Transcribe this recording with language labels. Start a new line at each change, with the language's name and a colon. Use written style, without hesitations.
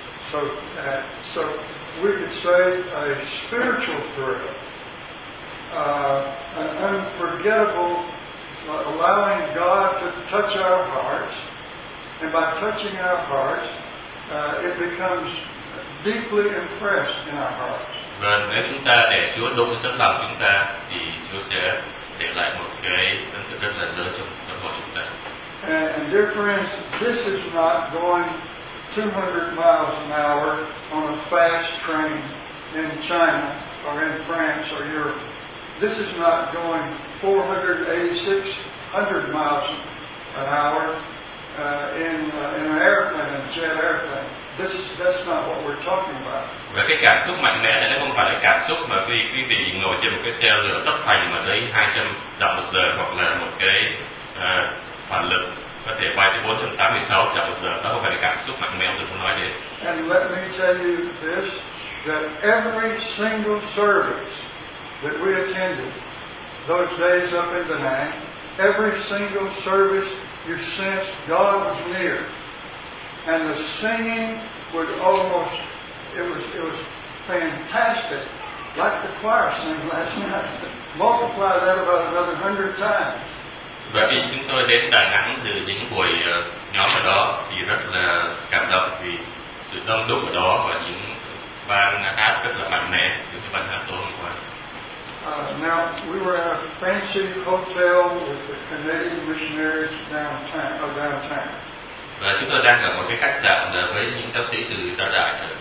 English: So we could say a spiritual thrill. An unforgettable, allowing God to touch our hearts, and by touching our hearts, it becomes deeply impressed in our hearts.
Vietnamese: Và nếu chúng ta để Chúa đụng đến tấm lòng chúng ta, thì Chúa sẽ để lại một cái ấn tượng rất là lớn trong tâm hồn chúng ta.
English: And dear friends, this is not going 200 miles an hour on a fast train in China or in France or Europe. This is not going 486 miles an hour in an airplane, in a jet airplane. That's not what we're talking about.
Vietnamese: Và cái cảm xúc mạnh mẽ này nó không phải là cảm xúc mà quý vị ngồi trên một cái xe lửa tốc hành mà tới 200 dặm một giờ hoặc là một cái phản lực có thể bay tới 486 dặm một giờ. Đó không phải là cảm xúc mạnh mẽ tôi muốn nói đến.
English: And let me tell you this, that every single service that we attended those days up in Da Nang, every single service you sensed God was near, and the singing was almost it was fantastic, like the choir sang last night. Multiply that about another 100 times.
Vietnamese: Và khi chúng tôi đến Đà Nẵng dự những buổi nhóm ở đó thì rất là cảm động vì sự đông đúc ở đó và những ban hát rất là mạnh mẽ những cái ban hát tối hôm qua.
English: Now we were at a fancy hotel with the Canadian missionaries downtown.
Vietnamese: Và chúng tôi đang ở một cái khách sạn với những giáo sĩ từ Da Đại.